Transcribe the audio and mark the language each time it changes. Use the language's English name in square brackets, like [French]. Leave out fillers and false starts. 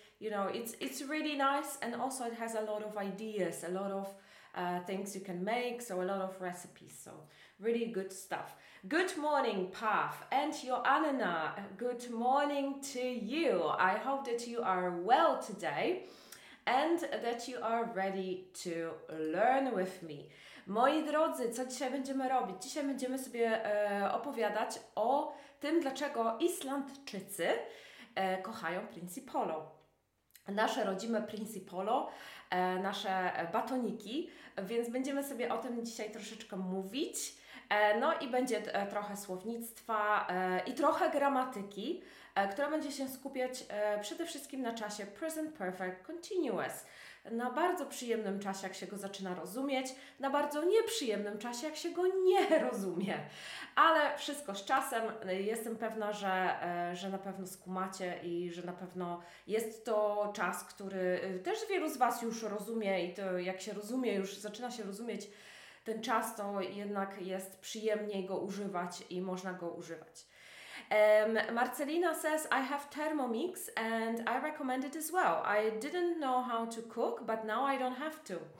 [English] You know, it's really nice, and also it has a lot of ideas, a lot of things you can make, so a lot of recipes. So really good stuff. Good morning, Path and Joanna. Good morning to you. I hope that you are well today and that you are ready to learn with me. [Polish] Moi drodzy, co dzisiaj będziemy robić? Dzisiaj będziemy sobie opowiadać o tym, dlaczego Islandczycy kochają Principolo. Nasze rodzime Principolo, nasze batoniki, więc będziemy sobie o tym dzisiaj troszeczkę mówić. No i będzie trochę słownictwa i trochę gramatyki, która będzie się skupiać przede wszystkim na czasie Present Perfect Continuous. Na bardzo przyjemnym czasie, jak się go zaczyna rozumieć, na bardzo nieprzyjemnym czasie, jak się go nie rozumie. Ale wszystko z czasem, jestem pewna, że na pewno skumacie i że na pewno jest to czas, który też wielu z Was już rozumie i to jak się rozumie, już zaczyna się rozumieć ten czas, to jednak jest przyjemniej go używać i można go używać. [English] Marcelina says, I have Thermomix and I recommend it as well. I didn't know how to cook, but now I don't have to.